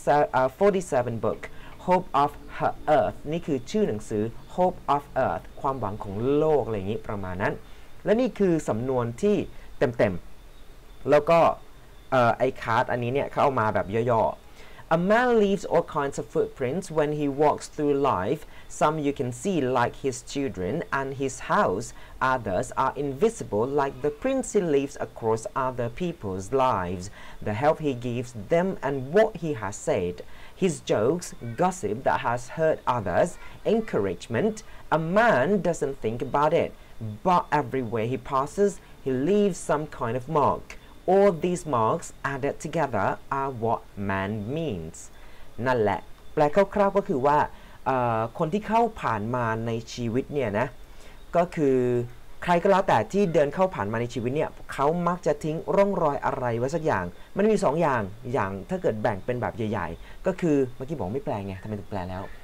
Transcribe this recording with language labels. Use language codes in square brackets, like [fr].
[th] 1947 book Hope of Her Earth นี่คือชื่อหนังสือ Hope of Earth ความหวังของโลกอะไรอย่างนี้ประมาณนั้นและนี่คือสำนวนที่เต็มๆแล้วก็ไอ้คาร์ดอันนี้เนี่ยเขาเอามาแบบย่อๆ [en] A man leaves all kinds of footprints when he walks through life. Some you can see, like his children and his house. Others are invisible, like the prints he leaves across other people's lives, the help he gives them and what he has said. His jokes, gossip that has hurt others, encouragement. A man doesn't think about it, but everywhere he passes, he leaves some kind of mark. All these marks added together are what man means. [th] นั่นแหละแปลคร่าวๆก็คือว่าคนที่เข้าผ่านมาในชีวิตเนี่ยนะก็คือใครก็แล้วแต่ที่เดินเข้าผ่านมาในชีวิตเนี่ยเขามักจะทิ้งร่องรอยอะไรไว้สักอย่างมันมี2อย่างอย่างถ้าเกิดแบ่งเป็นแบบใหญ่ๆก็คือเมื่อกี้บอกไม่แปลไงทำไมถึงแปลแล้ว